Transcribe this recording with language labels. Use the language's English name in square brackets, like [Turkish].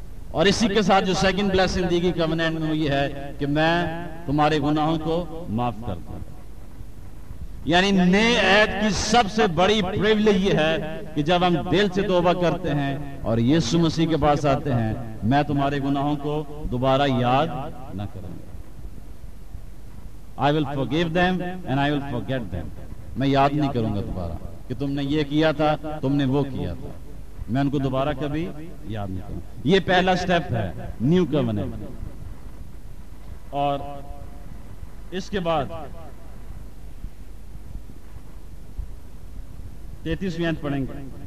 [Urdu] اور اسی کے ساتھ جو سیکنڈ بلیسنگ دی گئی کووننٹ میں یہ ہے کہ میں تمہارے گناہوں کو معاف کرتا ہوں. یعنی نئے عہد کی سب سے بڑی پریویلیج یہ ہے کہ جب ہم دل سے توبہ کرتے ہیں اور یسوع مسیح کے پاس آتے ہیں, میں تمہارے گناہوں کو دوبارہ یاد نہ کروں گا. [English] I will forgive them and I will forget them. [Urdu] میں یاد نہیں کروں گا دوبارہ کہ تم نے یہ کیا تھا, تم نے وہ کیا تھا. میں ان کو دوبارہ کبھی یاد نہیں کروں. یہ پہلا سٹیپ ہے نیو کووننٹ. اور اس کے بعد 33 پڑھیں گے.